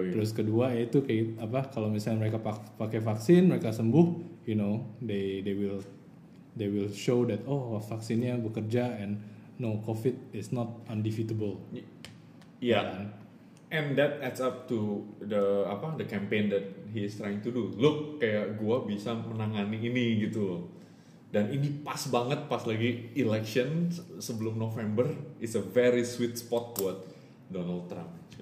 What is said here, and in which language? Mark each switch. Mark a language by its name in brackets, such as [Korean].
[Indonesian] Terus kedua yaitu kayak apa kalau misalnya mereka pakai vaksin, mereka sembuh, [English] you know, they will show that oh [Indonesian] vaksinnya bekerja [English] and no COVID is not undefeatable. [Indonesian] Iya. Yeah. [English] And that adds up to the campaign that he is trying to do. Look, [Indonesian] kayak gua bisa menangani ini gitu. Dan ini pas banget pas lagi election sebelum November. [English] It's a very sweet spot buat Donald Trump.